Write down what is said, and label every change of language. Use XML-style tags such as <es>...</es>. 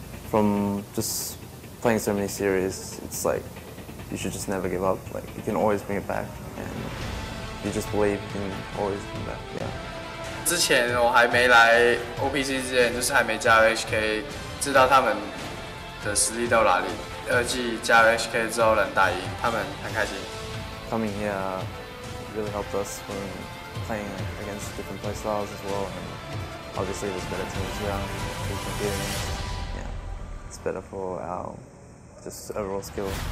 <en>from just playing so many series, it's like you should just never give up. Like you can always bring it back, and you just believe you can always bring it back. Yeah.</en> <zh>之前我还没来 OPC 之前，就是还没加 HK， 知道他们的实力到哪里。二季加 HK 之后，人打赢他们很开心。</zh> <en>Coming here really helped us when playing against different play styles as well. And obviously, there's better teams around. We compete. Yeah, it's better for our just overall skill.</en>